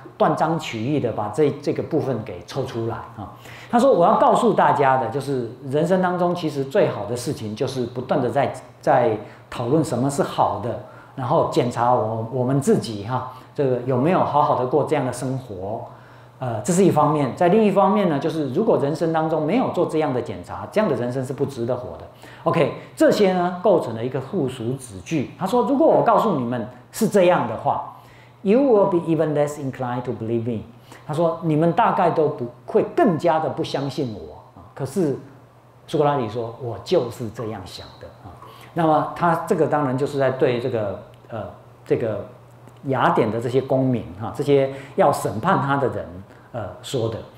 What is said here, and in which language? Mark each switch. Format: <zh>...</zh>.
<zh>断章取义的把这个部分给抽出来啊，他说我要告诉大家的就是人生当中其实最好的事情就是不断的在讨论什么是好的，然后检查我们自己哈、啊，这个有没有好好的过这样的生活，这是一方面。在另一方面呢，就是如果人生当中没有做这样的检查，这样的人生是不值得活的。 OK， 这些呢构成了一个附属子句。他说如果我告诉你们是这样的话。</zh> <en>You will be even less inclined to believe me.</en> <zh>他说：“你们大概都不会更加的不相信我。” 可是苏格拉底说：“我就是这样想的。” 那么他这个当然就是在对这个雅典的这些公民哈，这些要审判他的人说的。</zh>